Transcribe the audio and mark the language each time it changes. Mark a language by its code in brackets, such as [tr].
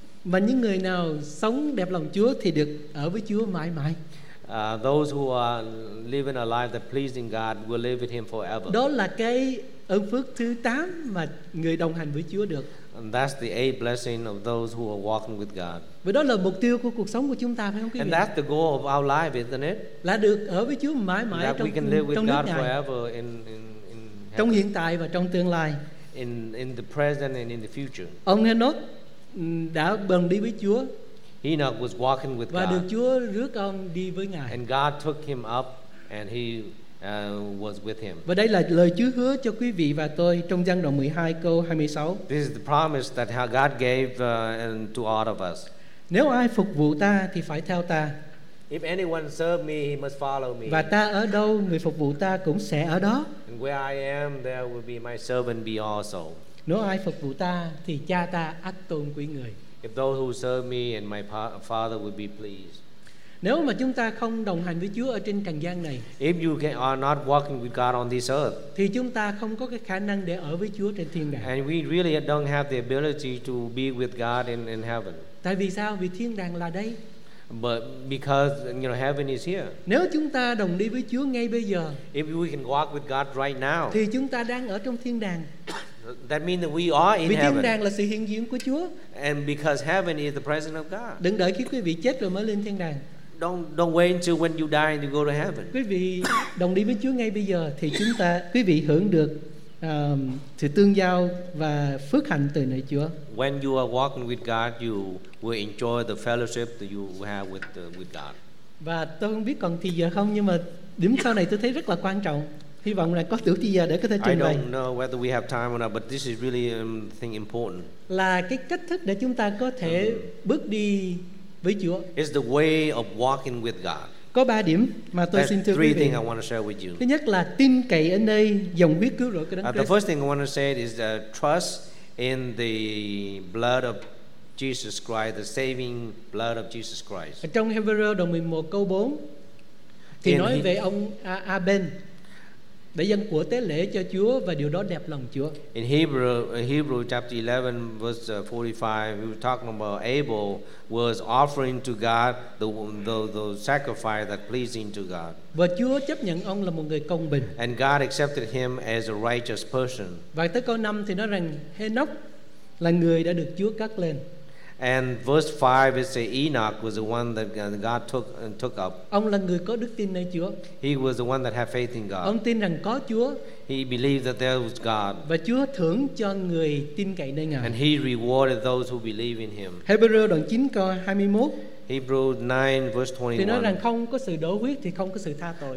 [vi] Mà những người nào sống đẹp lòng Chúa thì được ở với Chúa mãi mãi. [en] Those who are living a life that pleasing God will live with Him forever. [vi] Đó là cái ơn phước thứ 8 mà người đồng hành với Chúa được. [en] And that's the eighth blessing of those who are walking with God. [vi] Vậy đó là mục tiêu của cuộc sống của chúng ta phải không quý vị? [en] And that's the goal of our life, isn't it? [vi] Là được ở với Chúa mãi mãi [en] that [vi] trong [en] we can live with [vi] trong [en] God [vi] nước [en] forever in heaven. [vi] Trong hiện tại và trong tương lai. [en] In the present and in the future. [vi] Ông Henoch đã bần đi với Chúa. [en] Enoch was walking with [vi] và [en] God. [vi] Được Chúa rước ông đi với Ngài. [en] And God took him up and he was with him. [vi] Và đây là lời Chúa hứa cho quý vị và tôi trong Giăng đoạn 12 câu 26. [en] This is the promise that God gave to all of us. [vi] Nếu ai phục vụ ta thì phải theo ta. [en] If anyone serve me, he must follow me. [vi] Và ta ở đâu, người phục vụ ta cũng sẽ ở đó. [en] And where I am, there will be my servant be also. [vi] Nếu ai phục vụ ta thì cha ta ắt tôn quý người. [en] If those who serve me and my father would be pleased. [vi] Nếu mà chúng ta không đồng hành với Chúa ở trên trần gian này, [en] if you are not walking with God on this earth, [vi] thì chúng ta không có cái khả năng để ở với Chúa trên thiên đàng. [en] And we really don't have the ability to be with God in heaven. [vi] Tại vì sao? Vì thiên đàng là đây. [en] But because you know heaven is here. [vi] Nếu chúng ta đồng đi với Chúa ngay bây giờ. [en] If we can walk with God right now. [vi] Thì chúng ta đang ở trong thiên đàng. [en] That means that we are in heaven. [vi] Vì thiên đàng là sự hiện diện của Chúa. [en] And because heaven is the presence of God. [vi] Đừng đợi khi quý vị chết rồi mới lên thiên đàng. [en] Don't wait until when you die and you go to heaven. [vi] Quý vị đồng đi với Chúa ngay bây giờ thì chúng ta quý vị hưởng được sự tương giao và phước hạnh từ nơi Chúa. [en] When you are walking with God, you will enjoy the fellowship that you have with God. [vi] Và tôi không biết còn thì giờ không, nhưng mà điểm sau này tôi thấy rất là quan trọng. Hy vọng là có đủ thì giờ để có thể trình bày. [en] I don't know whether we have time or not, but this is really thing important. [vi] Là cái cách thức để chúng ta có thể bước đi với Chúa. [en] It's the way of walking with God. [vi] Có ba điểm mà tôi xin thưa quý vị. Thứ nhất là tin cậy ở nơi dòng huyết cứu rỗi của Đấng Christ. [en] The first thing I want to say is the trust in the blood of Jesus Christ, the saving blood of Jesus Christ. [vi] Trong Hebrew đoạn 11 câu 4 thì nói về ông Aben để dâng của tế lễ cho Chúa và điều đó đẹp lòng Chúa. [en] In Hebrew chapter 11 verse 45 we were talking about Abel was offering to God the sacrifice that pleasing to God. [vi] Và Chúa chấp nhận ông là một người công bình. [en] And God accepted him as a righteous person. [vi] Và tới câu 5 thì nói rằng Henoch là người đã được Chúa cất lên. [en] And verse 5 it says Enoch was the one that God took up. [vi] Ông là người có đức tin nơi Chúa. [en] He was the one that had faith in God. [vi] Ông tin rằng có Chúa. [en] He believed that there was God. [vi] Và Chúa thưởng cho người tin cậy nơi Ngài. [en] And he rewarded those who believe in him. [vi] Hebrews đoạn 9 câu 21. [en] Hebrews 9 verse 21. [vi] Thì nói rằng không có sự đổ huyết thì không có sự tha tội.